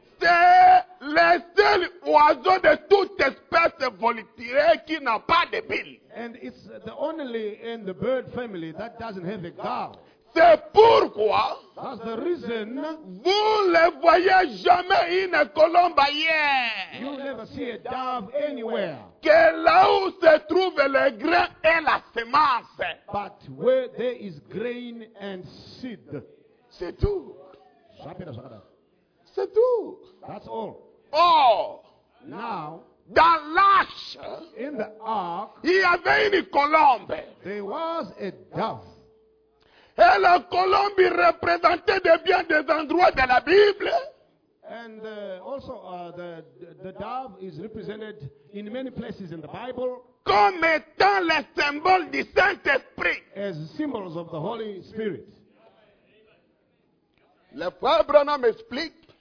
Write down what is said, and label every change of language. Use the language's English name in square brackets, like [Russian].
[French] C'est le seul oiseau de toute espèce volatile qui n'a pas de bile. [English] And it's the only in the bird family that doesn't have a gall. [French] C'est pourquoi. [English] That's the reason. [French] Vous ne voyez jamais une colombe ailleurs. [English] You never see a dove anywhere. [French] Que là où se trouve le grain et la semence. [English] But where there is grain and seed. [French] C'est tout. Chapitre. C'est tout. [English] That's all. Oh. Now. [French] Dans l'arche. [English] In the ark. [French] Il y avait une colombe. [English] There was a dove. [French] Et la colombe représentait de bien des endroits de la Bible. [English] And also the dove is represented in many places in the Bible. [French] Comme étant le symbole du Saint-Esprit. [English] As symbols of the Holy Spirit. [French] Le frère Branham explique.